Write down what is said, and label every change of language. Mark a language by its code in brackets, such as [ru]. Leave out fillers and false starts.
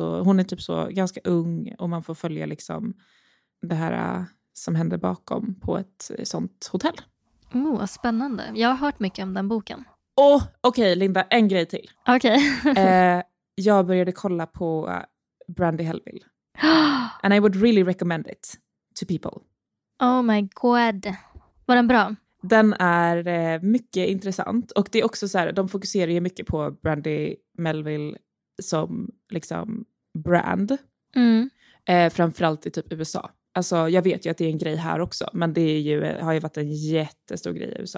[sv] Och hon är typ så ganska ung och man får följa liksom det här... som händer bakom på ett sånt hotell. Oh, vad spännande. Jag har hört mycket om den boken. Åh, okej, okay, Linda, en grej till. Okej. Okay. jag började kolla på Brandy Helbig. [en] And I would really recommend it to people. Oh my god. [sv] Var den bra? Den är mycket intressant. Och det är också så här, de fokuserar ju mycket på Brandy Melville som liksom brand. Mm. Framförallt i typ USA. Alltså jag vet ju att det är en grej här också. Men det är ju, har ju varit en jättestor grej i USA.